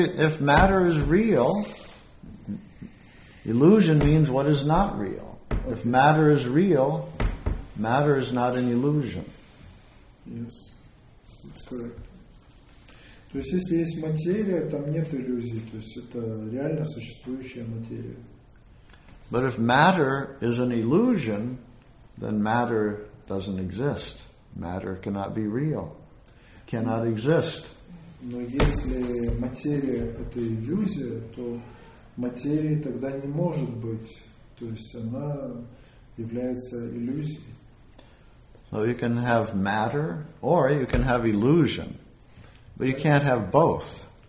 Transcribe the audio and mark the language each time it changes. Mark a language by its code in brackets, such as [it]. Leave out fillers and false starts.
[en] If matter is real, illusion means what is not real. If matter is real, matter is not an illusion. Yes. [ru] То есть, если есть материя, там нет иллюзий, то есть это реально существующая материя. [en] But if matter is an illusion, then matter doesn't exist. Matter cannot be real, cannot exist. [ru] Но если материя это иллюзия, то материи тогда не может быть, то есть она является иллюзией. [en] So you can have matter, or you can have illusion, but you can't have both.